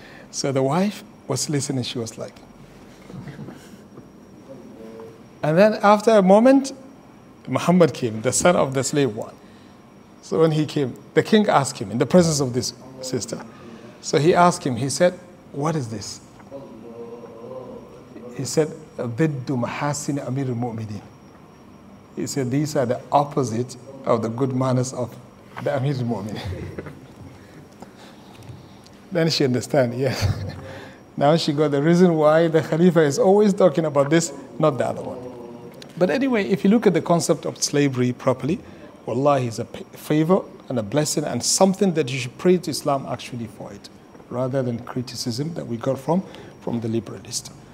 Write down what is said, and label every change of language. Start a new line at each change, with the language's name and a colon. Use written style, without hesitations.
English: So the wife was listening, she was like. And then after a moment, Muhammad came, the son of the slave one. So when he came, the king asked him, in the presence of this sister, so he asked him, he said, what is this? He said,
Arabic: ضِدُّ مَحَاسِنِ أَمِيرِ الْمُؤْمِنِينَ.
English: He said, these are the opposite of the good manners of the Amir al-Mu'mineen. Then she understand, yes. Now she got the reason why the Khalifa is always talking about this, not the other one. But anyway, if you look at the concept of slavery properly, wallahi is a favor and a blessing and something that you should pray to Islam actually for it, rather than criticism that we got from the liberalist.